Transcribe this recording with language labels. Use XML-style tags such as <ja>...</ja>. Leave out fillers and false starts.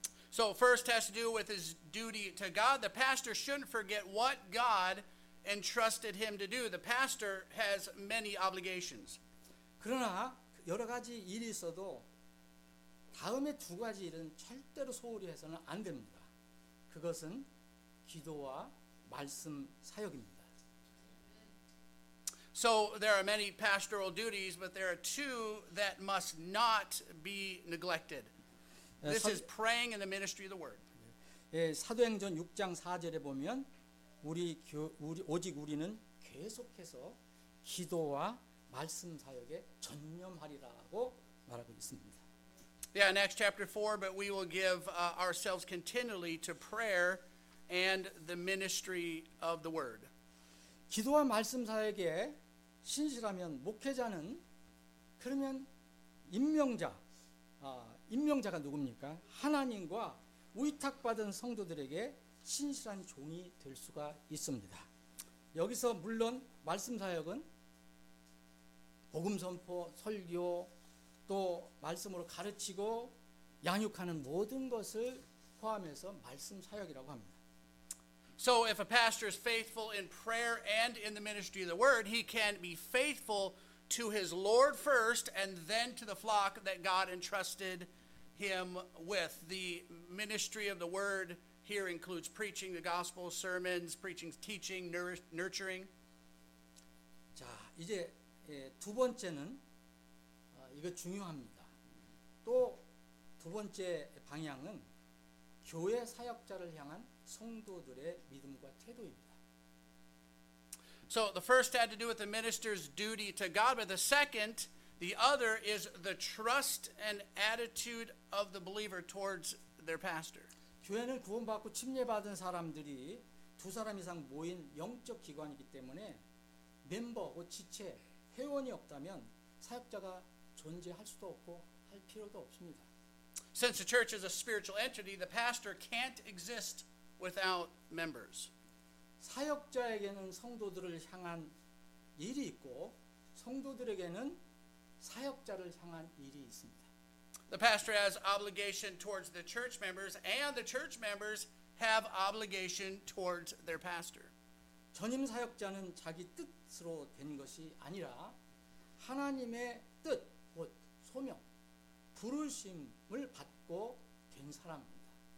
<en>So first has to do with his duty to God. The pastor shouldn't forget what God entrusted him to do. The pastor has many obligations.</en> <ko>그러나 여러 가지 일이 있어도 다음에 두 가지 일은 절대로 소홀히 해서는 안 됩니다. 그것은 기도와 말씀 사역입니다.</ko> <en>So there are many pastoral duties, but there are two that must not be neglected. This is praying in the ministry of the word.</en> <ko>예, 사도행전 6장 4절에 보면 오직 우리는 계속해서 기도와 말씀 사역에 전념하리라고 말하고 있습니다.</ko> <en>Yeah, in Acts chapter 4, but we will give ourselves continually to prayer and the ministry of the word.</en> <ko>기도와 말씀 사역에 신실하면 목회자는 그러면 임명자가 누굽니까? 하나님과 위탁받은 성도들에게 신실한 종이 될 수가 있습니다. 여기서 물론 말씀 사역은 복음 선포, 설교, 또 말씀으로 가르치고 양육하는 모든 것을 포함해서 말씀 사역이라고 합니다.</ko> <en>So if a pastor is faithful in prayer and in the ministry of the word, he can be faithful to his Lord first and then to the flock that God entrusted him with. The ministry of the word here includes preaching the gospel, sermons, preaching, teaching, nurturing.</en> <ko>자, 이제 두 번째는 이거 중요합니다. 또 두 번째 방향은 교회 사역자를 향한 성도들의 믿음과 태도입니다.</ko> <en>So the first had to do with the minister's duty to God, but the second, the other is the trust and attitude of the believer towards their pastor.</en> <ko>교회는 구원받고 침례받은 사람들이 두 사람 이상 모인 영적 기관이기 때문에 멤버고 지체 회원이 없다면 사역자가 존재할 수도 없고 할 필요도 없습니다.</ko> <en>Since the church is a spiritual entity, the pastor can't exist without members.</en> <ko>사역자에게는 성도들을 향한 일이 있고 성도들에게는 사역자를 향한 일이 있습니다.</ko> <en>The pastor has obligation towards the church members and the church members have obligation towards their pastor.</en> <ko>전임 사역자는 자기 뜻으로 된 것이 아니라 하나님의 뜻 소명, 부르심을 받고 된 사람입니다.</ko>